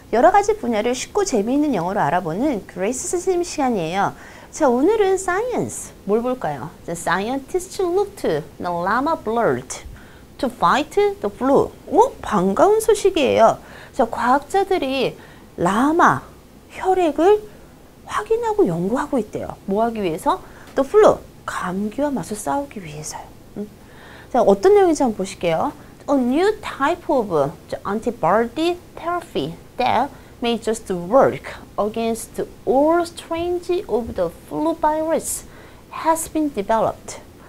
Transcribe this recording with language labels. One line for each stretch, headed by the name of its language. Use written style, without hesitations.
Korean: 여러 가지 분야를 쉽고 재미있는 영어로 알아보는 그레이스 선생님 시간이에요. 자, 오늘은
English: science.
Korean: 뭘 볼까요?
English: The scientist looked the llama blurt to fight the flu.
Korean: 어? 반가운 소식이에요. 자, 과학자들이 라마 혈액을 확인하고 연구하고 있대요. 뭐 하기 위해서?
English: The flu.
Korean: 감기와 맞서 싸우기 위해서요. 자, 어떤 내용인지 한번 보실게요.
English: A new type of antibody therapy that may just work against all strains of the flu virus has been developed.